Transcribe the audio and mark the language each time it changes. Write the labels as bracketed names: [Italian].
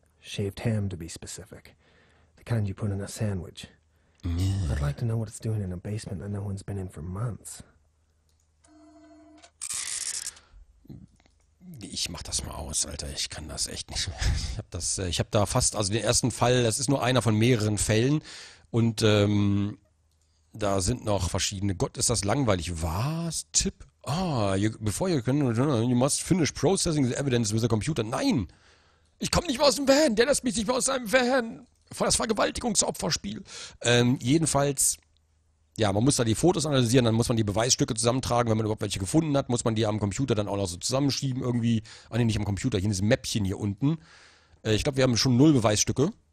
[English] Shaved ham, to be specific. The kind you put in a sandwich. Yeah. I'd like to know what it's doing in a basement that no one's been in for months. [German] Ich mach das mal aus, Alter. Ich kann das echt nicht. Ich hab da den ersten Fall, das ist nur einer von mehreren Fällen. Und da sind noch verschiedene. Gott, ist das langweilig. Was? Tipp? [English] Ah, you must finish processing the evidence with a computer. [German] Nein! Ich komme nicht mehr aus dem Van. Der lässt mich nicht mehr aus seinem Van. Vor das Vergewaltigungsopferspiel. Jedenfalls, ja, man muss da die Fotos analysieren, dann muss man die Beweisstücke zusammentragen. Wenn man überhaupt welche gefunden hat, muss man die am Computer dann auch noch so zusammenschieben irgendwie. Ah, nee, nicht am Computer, hier in diesem Mäppchen hier unten. Ich glaube, wir haben schon 0 Beweisstücke.